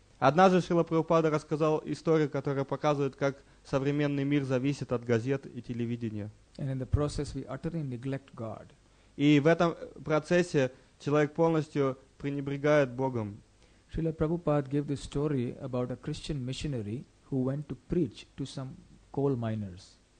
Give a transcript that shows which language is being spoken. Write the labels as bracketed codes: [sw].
[ru] Однажды Шрила Прабхупада рассказал историю, которая показывает, как современный мир зависит от газет и телевидения. [en] And in the process we utterly neglect God. [ru] И в этом процессе человек полностью пренебрегает Богом. [en] Srila Prabhupada gave this story about a Christian missionary who went to preach to some coal miners.